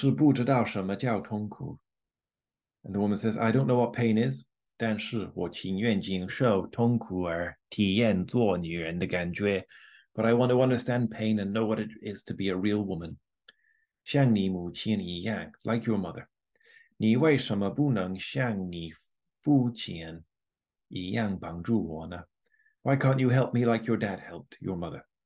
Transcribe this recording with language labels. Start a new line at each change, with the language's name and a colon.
Chinese: 女人说，我是不知道什么叫痛苦。
English: And the woman says, I don't know what pain is.
Chinese: 但是我情愿经受痛苦而体验做女人的感觉。
English: But I want to understand pain and know what it is to be a real woman.
Chinese: 像你母亲一样,
English: like your mother.
Chinese: 你为什么不能像你父亲一样帮助我呢?
English: Why can't you help me like your dad helped your mother?